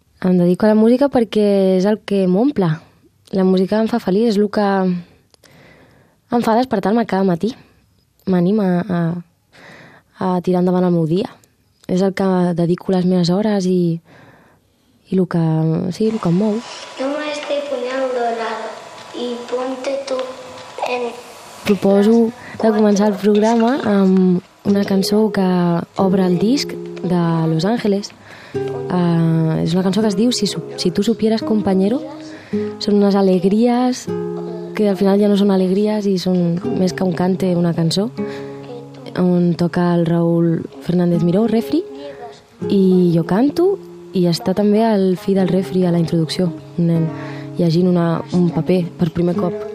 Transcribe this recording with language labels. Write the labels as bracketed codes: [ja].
[ca] Em dedico a la música perquè és el que m'omple. La música em fa feliç, és el que em fa despertar-me cada matí. M'anima a tirar endavant el meu dia. És el que dedico les meves hores i el que em mou. [es] No me estoy poniendo nada y ponte tú en... [ca] Proposo de començar el programa amb una cançó que obre el disc de Los Ángeles. És una cançó que es diu [es] Si tú supieras, compañero. [ca] Són unes alegries que al final ja no són alegries i són més que un cante, una cançó, on toca el Raúl Fernández Miró, Refri, i jo canto, i està també el fill del Refri a la introducció, un nen llegint un paper per primer cop.